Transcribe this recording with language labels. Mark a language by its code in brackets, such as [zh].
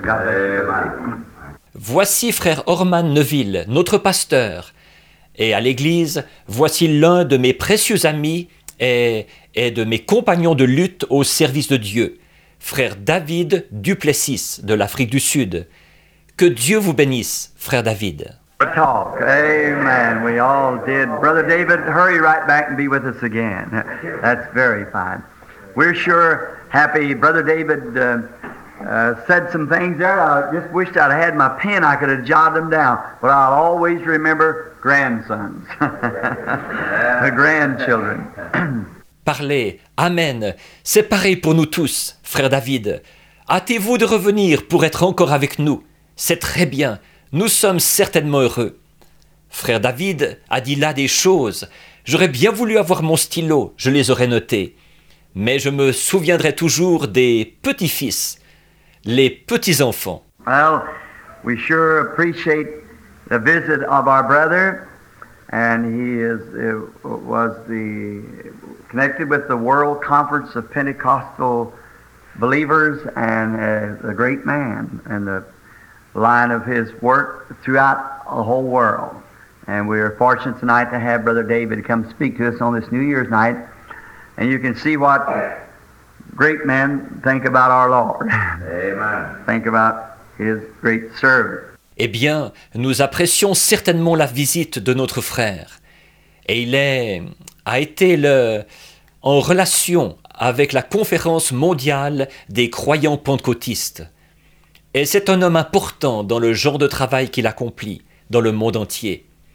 [en] God bless you. [fr] Voici frère Orman Neville, notre pasteur. Et à l'église, voici l'un de mes précieux amis et de mes compagnons de lutte au service de Dieu, frère David Duplessis de l'Afrique du Sud. Que Dieu vous bénisse, frère David. [en] Talk. Amen. We all did. Brother David, hurry right back and be with us again. That's very fine. We're sure happy. Brother David said some things there. I just wished I'd had my pen. I could have jotted them down. But I'll always remember grandsons. The grandchildren. [fr] Parlez. Amen. C'est pareil pour nous tous, frère David. Hâtez-vous de revenir pour être encore avec nous. C'est très bien. Nous sommes certainement heureux. Frère David a dit là des choses. J'aurais bien voulu avoir mon stylo, je les aurais notées. Mais je me souviendrai toujours des petits-fils, les petits-enfants. [en] Well, we sure appreciate the visit of our brother. And he was connected with the World Conference of Pentecostal Believers and a great man and the line of his work throughout the whole world. And we are fortunate tonight to have Brother David come speak to us on this New Year's night. And you can see what great men think about our Lord. Amen. Think about his great service. [fr] Eh bien, nous apprécions certainement la visite de notre frère. Et il a été en relation avec la conférence mondiale des croyants pentecôtistes. Et c'est un homme important dans le genre de travail qu'il accomplit dans le monde entier.